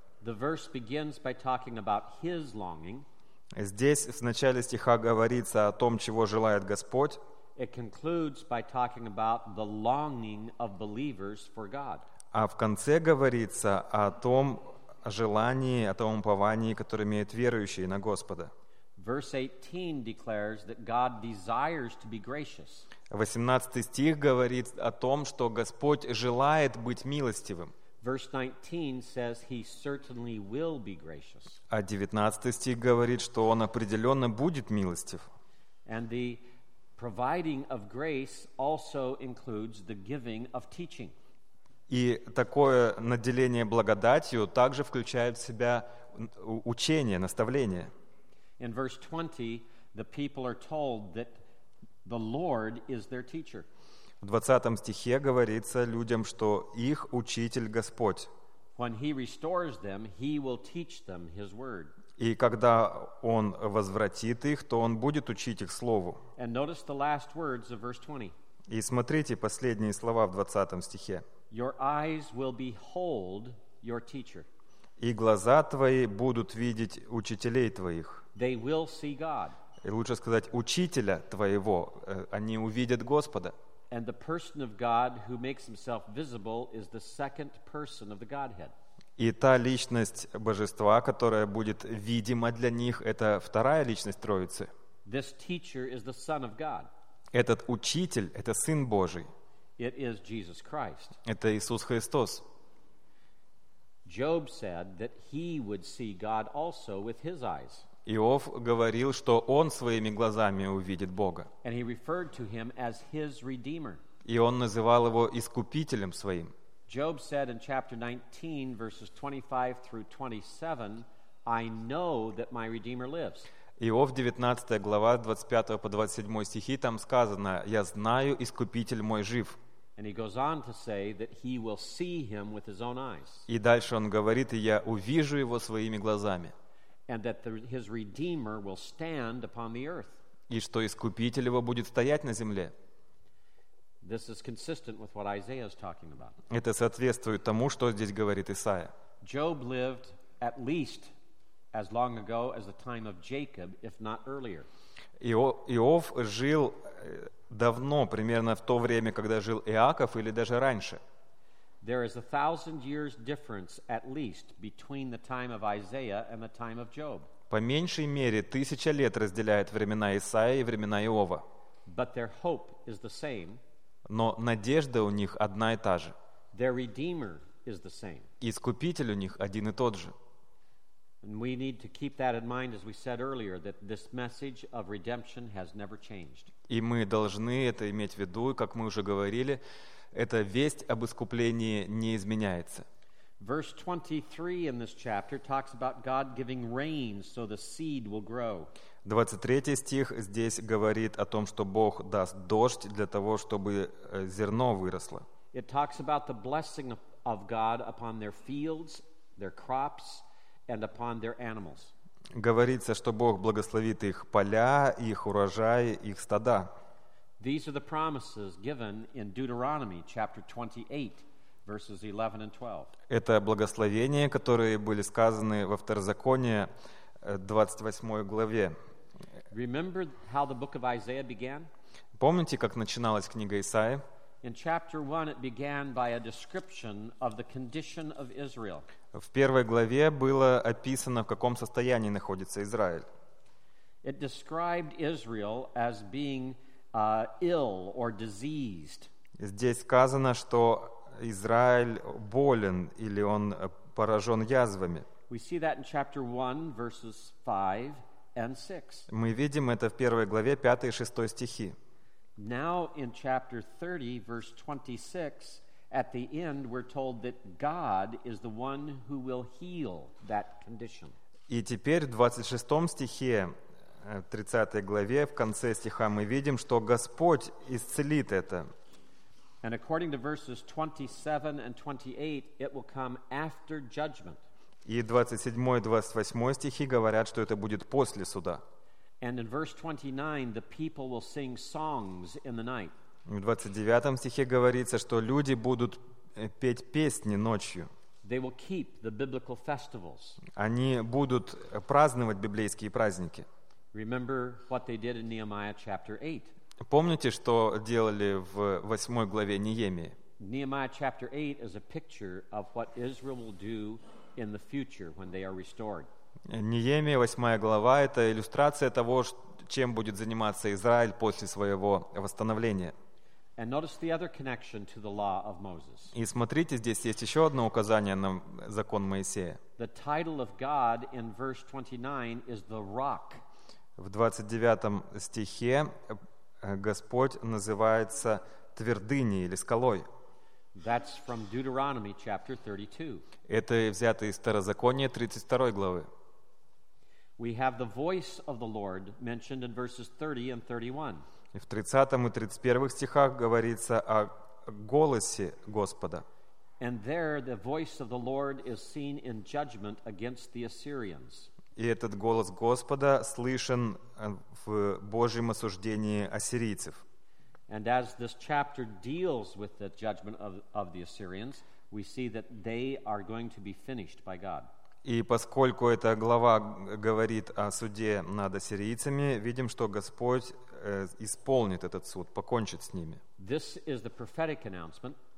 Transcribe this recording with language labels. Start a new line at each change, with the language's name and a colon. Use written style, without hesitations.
English: The verse begins by talking about his longing.
Russian: Здесь в начале стиха говорится о том, чего желает Господь.
English: It concludes by talking about the longing of believers for God.
Russian: А в конце говорится о том желании, о том уповании, которое имеют верующие на Господа.
English: Verse 18 declares that God desires to be gracious.
Russian: 18 стих говорит о том, что Господь желает быть милостивым.
English: Verse 19 says he certainly will be gracious.
Russian: А 19 стих говорит, что он определенно будет милостив.
English: And the providing of grace also includes the giving of teaching.
Russian: И такое наделение благодатью также включает в себя учение, наставление.
English: In verse 20, the people are told that the Lord is their teacher.
Russian: В 20 стихе говорится людям, что их учитель Господь.
English: When he restores them, he will teach them his word.
Russian: И когда он возвратит их, то он будет учить их слову.
English: And notice the last words of verse 20.
Russian: И смотрите последние слова в 20 стихе.
English: Your eyes will behold your teacher.
Russian: И глаза твои будут видеть учителей твоих.
English: They will see God.
Russian: И лучше сказать, учителя твоего, они увидят Господа.
English: And the person of God who makes himself visible is the second person of the Godhead.
Russian: И та личность Божества, которая будет видима для них, это вторая личность Троицы.
English: This teacher is the Son of God.
Russian: Этот учитель, это Сын Божий.
English: It is Jesus Christ.
Russian: Это Иисус Христос.
English: Job said that he would see God also with his eyes.
Russian: Иов говорил, что он своими глазами увидит Бога.
English: And he referred to him as his redeemer.
Russian: И он называл его искупителем своим.
English: Job said in chapter 19, verses 25 through 27, I know that my redeemer lives.
Russian: Иов 19 глава 25 по 27 стихи там сказано: Я знаю, искупитель мой жив.
English: And he goes on to say that he will see him with his own eyes.
Russian: И дальше он говорит: Я увижу его своими глазами.
English: And that his redeemer will stand upon the earth.
Russian: И что искупитель его будет стоять на земле.
English: This is consistent with what Isaiah is talking about.
Russian: Это соответствует тому, что здесь говорит Исаия.
English: Job lived at least as long ago as the time of Jacob, if not earlier.
Russian: Иов жил давно, примерно в то время, когда жил Иаков, или даже раньше.
English: There is a 1,000 years difference at least between the time of Isaiah and the time of Job.
Russian: По меньшей мере 1,000 лет разделяет времена Исаия и времена Иова.
English: But their hope is the same.
Russian: Но надежда у них одна и та же.
English: Their redeemer is the same.
Russian: Искупитель у них один и тот же.
English: And we need to keep that in mind, as we said earlier, that this message of redemption has never changed.
Russian: И мы должны это иметь в виду, как мы уже говорили, эта весть об искуплении не изменяется.
English: Verse 23 in this chapter talks about God giving rain so the seed will grow.
Russian: 23 стих здесь говорит о том, что Бог даст дождь для того, чтобы зерно выросло.
English: It talks about the blessing of God upon their fields, their crops, and upon their animals.
Russian: Говорится, что Бог благословит их поля, их урожай, их стада.
English: These are the promises given in Deuteronomy chapter 28, verses 11 and 12.
Russian: Это благословения, которые были сказаны во Второзаконии 28 главе.
English: Remember how the book of Isaiah began?
Russian: Помните, как начиналась книга Исаии?
English: In chapter 1 it began by a description of the condition of Israel.
Russian: В первой главе было описано, в каком состоянии находится Израиль.
English: It described Israel as being ill or diseased.
Russian: Здесь сказано, что Израиль болен или он поражен язвами.
English: We see that in chapter 1, verses 5 and 6.
Russian: Мы видим это в первой главе, 5 и 6 стихи.
English: Now in chapter 30, verse 26, at the end, we're told that God is the one who will heal that condition.
Russian: И теперь в 26 стихе, 30 главе, в конце стиха мы видим, что Господь исцелит это.
English: And according to verses 27 and 28, it will come after judgment.
Russian: И 27 и 28 стихи говорят, что это будет после суда.
English: And in verse 29, the people will sing songs in the night.
Russian: В 29 стихе говорится, что люди будут петь песни ночью.
English: They will keep the biblical festivals.
Russian: Они будут праздновать библейские праздники.
English: Remember what they did in Nehemiah chapter 8.
Russian: Помните, что делали в 8 главе Неемии?
English: Nehemiah chapter 8 is a picture of what Israel will do in the future when they are restored.
Russian: Неемия, 8 глава, это иллюстрация того, чем будет заниматься Израиль после своего восстановления.
English: And notice the other connection to the law of Moses.
Russian: И смотрите, здесь есть еще одно указание на закон Моисея.
English: The title of God in verse 29 is the rock.
Russian: В 29 стихе Господь называется твердыней или скалой.
English: That's from Deuteronomy chapter 32.
Russian: Это взято из Второзакония 32 главы.
English: We have the voice of the Lord mentioned in verses 30 and 31.
Russian: И в 30 и 31 стихах говорится о голосе Господа.
English: And there the voice of the Lord is seen in judgment against the Assyrians.
Russian: И этот голос Господа слышен в Божьем осуждении ассирийцев.
English: And as this chapter deals with the judgment of the Assyrians, we see that they are going to be finished by God.
Russian: И поскольку эта глава говорит о суде над ассирийцами, видим, что Господь исполнит этот суд, покончит с ними.
English: This is the prophetic announcement.